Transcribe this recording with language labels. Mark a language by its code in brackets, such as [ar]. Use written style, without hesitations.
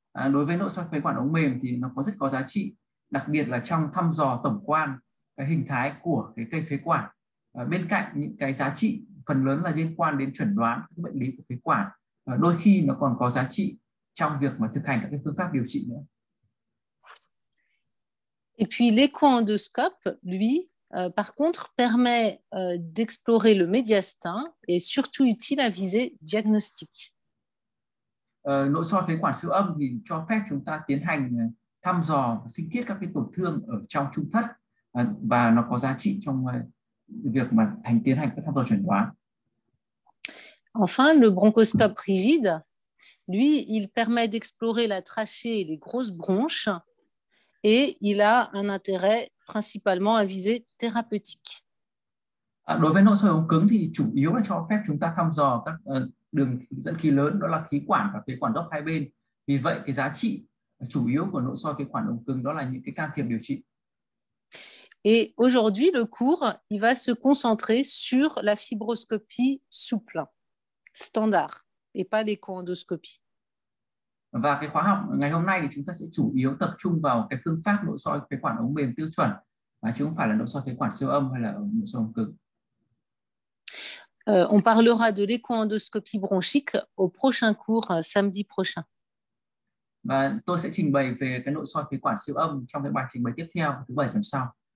[vi] Đối với nội soi phế quản ống mềm thì nó có rất có giá trị, đặc biệt là trong thăm dò tổng quan cái hình thái của cái cây phế quản. Bên cạnh những cái giá trị phần lớn là liên quan đến chẩn đoán các bệnh lý của phế quản, đôi khi nó còn có giá trị trong việc mà thực hành các cái phương pháp điều trị nữa. [fr] Et puis l'éco-endoscope, lui, par contre, permet d'explorer le médiastin et est surtout utile à viser diagnostic. [vi] Nội soi phế quản siêu âm thì cho phép chúng ta tiến hành thăm dò sinh thiết các cái tổn thương ở trong trung thất và nó có giá trị trong việc mà tiến hành các thăm dò chẩn đoán. [fr] Enfin, le bronchoscope rigide, lui, il permet d'explorer la trachée et les grosses bronches et il a un intérêt principalement à viser thérapeutique. [vi] Đối với nội soi ống cứng thì chủ yếu là cho phép chúng ta thăm dò các đường dẫn khí lớn, đó là khí quản và phế quản gốc hai bên. Vì vậy, cái giá trị chủ yếu của nội soi phế quản ống cứng đó là những cái can thiệp điều trị. [fr] Et aujourd'hui, le cours, il va se concentrer sur la fibroscopie souple, standard, et pas l'éco-endoscopie. [vi] Và cái khóa học ngày hôm nay thì chúng ta sẽ chủ yếu tập trung vào cái phương pháp nội soi phế quản ống mềm tiêu chuẩn, mà chứ không phải là nội soi phế quản siêu âm hay là nội soi ống cứng. [fr] On parlera de l'éco-endoscopie bronchique au prochain cours, samedi prochain. [vi] Và tôi sẽ trình bày về cái nội soi phế quản siêu âm trong cái bài trình bày tiếp theo thứ bảy tuần sau.